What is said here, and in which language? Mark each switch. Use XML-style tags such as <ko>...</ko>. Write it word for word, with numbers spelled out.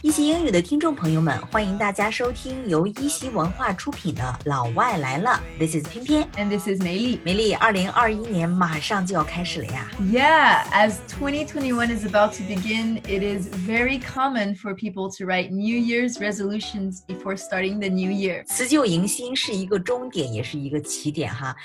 <zh>一席英语的听众朋友们，欢迎大家收听由一席文化出品的《老外来了》。</zh> <en>This is 偏偏 and this is 梅丽。</en> <zh>梅丽，二零二一年马上就要开始了呀。</zh> <en>Yeah, as twenty twenty-one is about to begin, it is very common for people to write New Year's resolutions before starting the new year.</en> <zh>辞旧迎新是一个终点，也是一个起点哈。</zh>